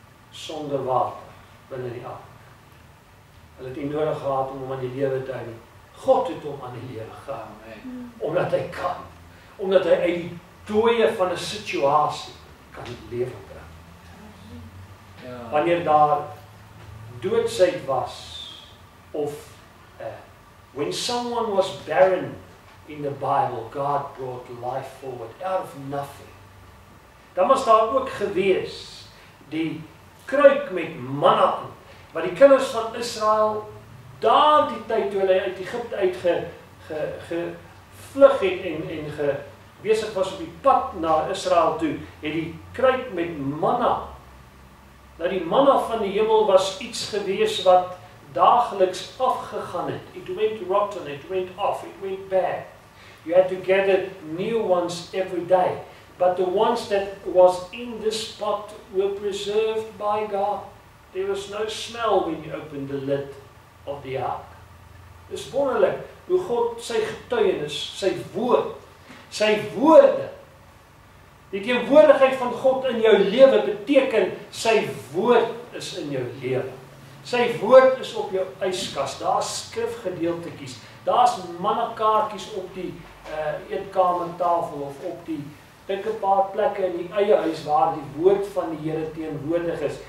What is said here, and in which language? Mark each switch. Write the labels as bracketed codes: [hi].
[af] Sonder water binnen die ark. Hulle het nie nodig gehad om aan die lewe te hou. God het hom aan die lewe gehou. Omdat hy kan. Omdat hy uit die dooie van 'n situasie kan die lewe bring. Wanneer daar doodsheid was, of [en] when someone was barren in the Bible, God brought life forward out of nothing. [af] Dan was daar ook gewees die kruik met manna, wat die kinders van Israel daar die tyd toe hulle uit Egypte uit gevlug het en besig was op die pad na Israel toe, het die kruik met manna. Nou die manna van die hemel was iets gewees wat dageliks afgegaan het. [en] It went rotten, it went off, it went bad. You had to gather new ones every day. But the ones that was in this pot were preserved by God. There was no smell when you opened the lid of the ark. [af] Dis wonderlik hoe God sy getuienis, sy woord, sy woorde, die teenwoordigheid van God in jou lewe beteken, sy woord is in jou lewe. Sy woord is op jou yskas, daar is skrifgedeeltekies, daar is mannakaartjies op die eetkamertafel of op die dikke paar plekke in die eie huis waar die woord van die Here teenwoordig is.